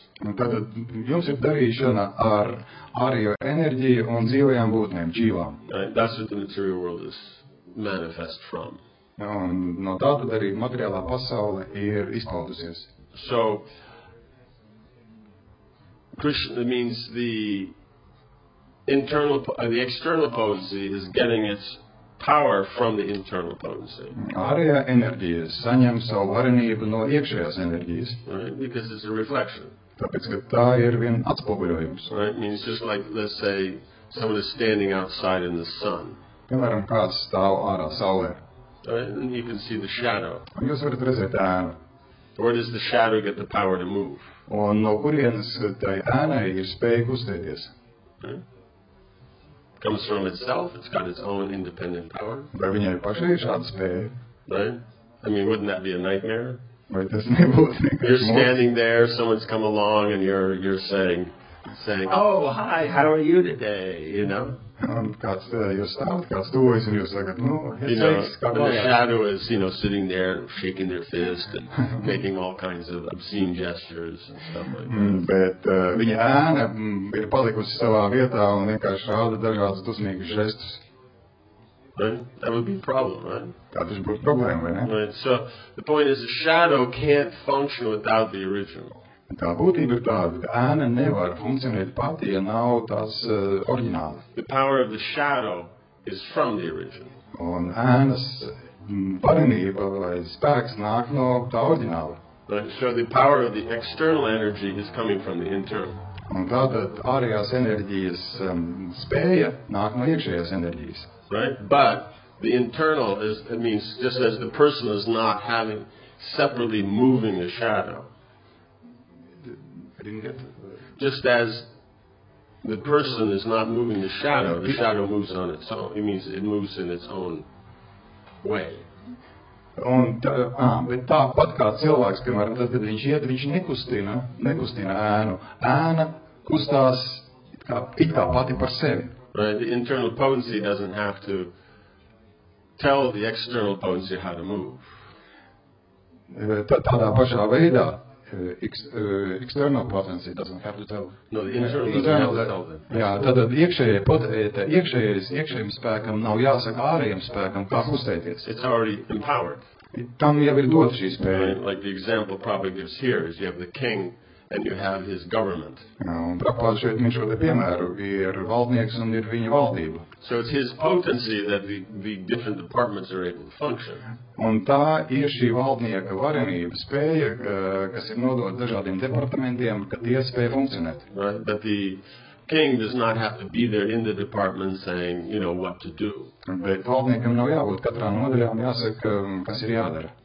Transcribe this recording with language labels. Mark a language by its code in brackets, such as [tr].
[lv] Un tātad jums ir darīšana ar ārējo enerģiju un dzīvajām būtnēm, dzīvām. [en] That's what the material world is manifest from. [lv] Un no tātad arī materiālā pasaule ir izpaudusies. [en] So, Krishna means the internal, the external potency is getting its power from the internal potency. [lv] Ārējā enerģija saņem savu varenību no iekšējās enerģijas. [en] Right? Because it's a reflection. [lv] Tāpēc, ka tā ir vien atspoguļojums. [en] Right? Means just like, let's say, someone is standing outside in the sun. [lv] Piemēram, kāds stāv ārā saulē. [en] And you can see the shadow. [lv] Un jūs varat redzēt ēnu. [en] Where does the shadow get the power to move? [lv] Un no kurienes tai ēnai ir spēja kustēties? [en] Right? Comes from itself, it's got its own independent power. [lv] Vai viņai pašai ir šāda spēja? [en] Right? I mean, wouldn't that be a nightmare? [lv] Vai tas nebūtu nekas? [en] You're standing there, someone's come along and you're saying, oh, hi, how are you today, you know? [lv] Un kāds jūs stāvat, kāds tuvojas, un jūs sakat, nu, es [en] you [lv] sveiks, [en] know, the shadow is, you know, sitting there, shaking their fist, and making all kinds of obscene gestures, and stuff like that. [lv] Bet viņa ēna ir palikusi savā vietā, un vienkārši rāda dažādas dusmīgas žestus. [en] Right? That would be a problem, right? [lv] Tā tas būtu problēma, vai ne? [en] Right, so, the point is, the shadow can't function without the original. [lv] Tā būtība ir tāda, ka ēna nevar funkcionēt pati, ja nav tās oriģināli. [en] The power of the shadow is from the original. [lv] Un ēnas varenība vai spēks nāk no tā oriģināla. [en] So the power of the external energy is coming from the internal. [lv] Un tātad ārējās enerģijas spēja nāk no iekšējās enerģijas. [en] Right, but the internal is, it means just as the person is not having separately moving the shadow. Just as the person is not moving the shadow moves on its own. It means it moves in its own way. [lv] Un bet tāpat kā cilvēks, piemēram, tad, kad viņš iet, viņš nekustina ēnu. Ēna kustās it kā pati par sevi. [en] Right, the internal potency doesn't have to tell the external potency how to move. [lv] Tādā pašā veidā. [en] External potency doesn't have to tell. No, the internal doesn't have to tell them. [lv] Jā, tad iekšējiem spēkam nav jāsaka ārējiem spēkam, kā kustēties. [en] It's already empowered. [lv] Tam jau ir dota šī spēja. [en] Right, like the example Prabhupada gives here is you have the king and you have his government. [lv] Jā, un Prabhupada šeit viņš vēl piemēru ir valdnieks un ir viņa valdība. [en] So it's his potency that the different departments are able to function. [lv] Un tā ir šī valdnieka varenība spēja, kas ir nodot dažādiem departamentiem, ka tie spēja funkcionēt. [en] Right, but the king does not have to be there in the department saying, you know, what to do. [lv] Bet valdniekam nav jābūt katrā nodaļā un jāsaka, kas ir jādara.